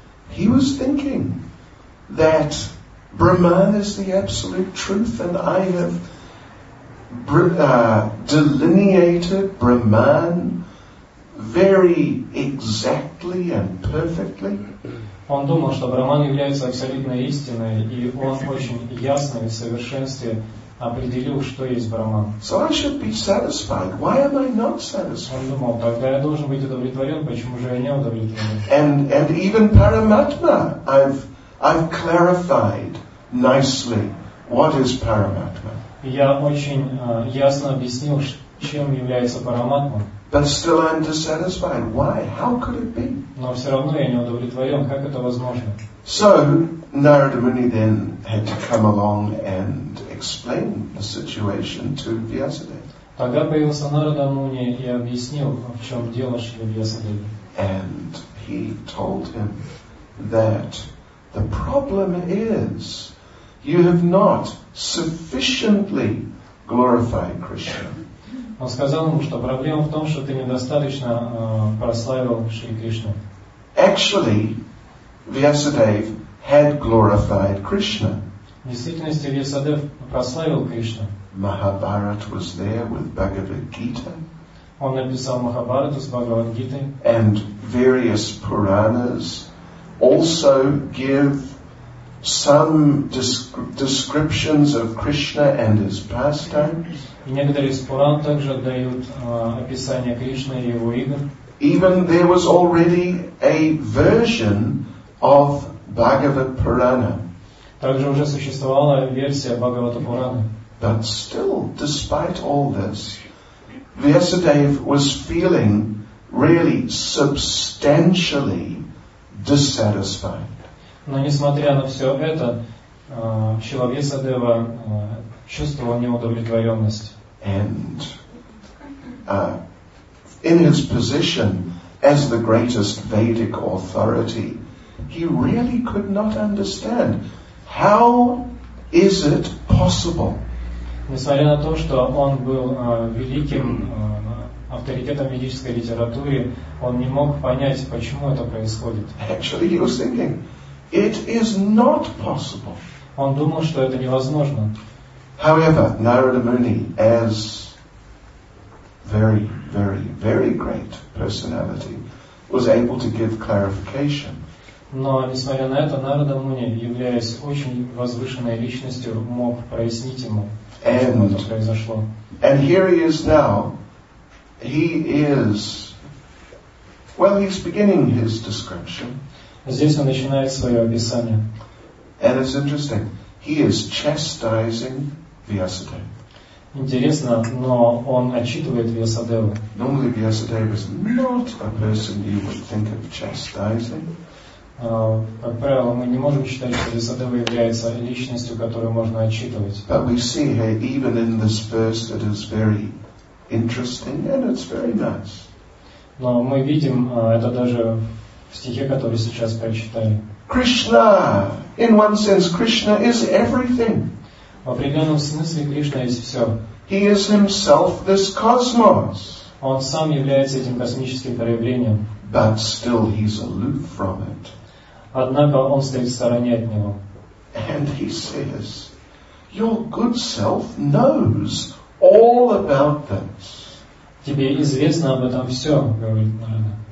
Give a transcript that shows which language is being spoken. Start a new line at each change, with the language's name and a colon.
English: He was thinking that Brahman is the absolute truth, and I have delineated Brahman very exactly and perfectly.
Russian: Он думал, что Брахман является абсолютной истиной, и он очень ясно и в совершенстве определил, что есть Брахман.
English: So I should be satisfied. Why am I not satisfied?
Russian: Он думал, тогда я должен быть удовлетворен, почему же я не удовлетворен?
English: And even Paramatma, I've clarified nicely what is Paramatma.
Russian: Я очень ясно объяснил, чем является Параматма.
English: But still I'm dissatisfied. Why? How could it be?
Russian: Но все равно я не удовлетворен. Как это возможно?
English: So Narada Muni then had to come along and explain the situation to Vyasadeva.
Russian: Тогда появился Нарада Муни и объяснил, в чем дело Шри Вьясадеви.
English: And he told him that the problem is you have not sufficiently glorified Krishna.
Russian: Он сказал ему, что проблема в том, что ты недостаточно прославил Шри Кришну.
English: Actually, Vyasadev had glorified Krishna.
Russian: В действительности Вьясадев прославил Кришну.
English: Mahabharata was there with Bhagavad Gita.
Russian: Он написал Махабхарату с Бхагавад Гитой.
English: And various Puranas also give some descriptions of Krishna and his pastimes.
Russian: И некоторые из Пуран также дают описание Кришны и его игр.
English: Even there was already a version of Bhagavad Purana.
Russian: Также уже существовала версия Бхагавата Пурана.
English: But still, despite all this, Vyasadeva was feeling really substantially dissatisfied.
Russian: Но несмотря на все это, Шрила Вьясадева чувствовал неудовлетворенность.
English: And in his position as the greatest Vedic authority, he really could not understand how is it possible.
Russian: Несмотря на то, что он был великим авторитетом ведической литературы, он не мог понять, почему это происходит.
English: Actually, he was thinking, it is not possible.
Russian: Он думал, что это невозможно.
English: However, Narada Muni, as very, very, very great personality, was able to give clarification.
Russian: Но, несмотря на это, Нарада Муни, являясь очень возвышенной личностью, мог прояснить ему, почему это произошло.
English: And here he is now. He is... Well, he's beginning his description.
Russian: Здесь он начинает свое описание.
English: And it's interesting. He is chastising Vyasadeva.
Russian: Интересно, но он отчитывает Вьясадеву.
English: Normally Vyasadeva is not a person you would think of chastising.
Russian: Как правило, мы не можем считать, что Вьясадева является личностью, которую можно отчитывать.
English: But we see here, even in this verse, it is very interesting and it's very nice.
Russian: Но мы видим это даже в стихе, который сейчас прочитали.
English: Krishna, in one sense, Krishna is everything.
Russian: В определенном смысле Кришна есть все.
English: He is himself this cosmos.
Russian: Он сам является этим космическим проявлением.
English: But still he's aloof from it.
Russian: Однако он стоит в стороне от него.
English: And he says, your good self knows all about this.
Russian: Тебе известно об этом все, говорит Нарада.